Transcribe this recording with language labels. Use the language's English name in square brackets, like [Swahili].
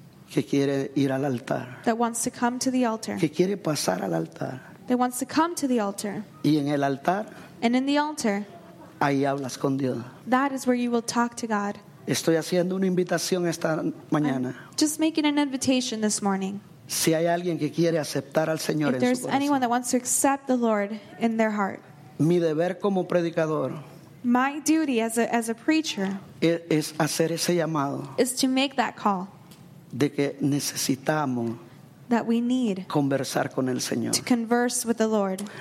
[Spanish] que quiere ir al altar? [English] That wants to come to the altar. [Spanish] Que quiere pasar al altar. [English] That wants to come to the altar. [Spanish] Y en el altar. [English] And in the altar. [Spanish] Ahí hablas con Dios. [English] That is where you will talk to God. [Spanish] Estoy haciendo una invitación esta mañana. [English] I'm just making an invitation this morning. [Spanish] Si hay alguien que quiere aceptar al Señor en su corazón. [English] If there's anyone that wants to accept the Lord in their heart. [Spanish] Mi deber como predicador. [English] My duty as a preacher. [Spanish] Es hacer ese llamado. [English] Is to make that call. [Spanish] De que necesitamos. [English] That we need. [Spanish] Conversar con el Señor. [English] To converse with the Lord.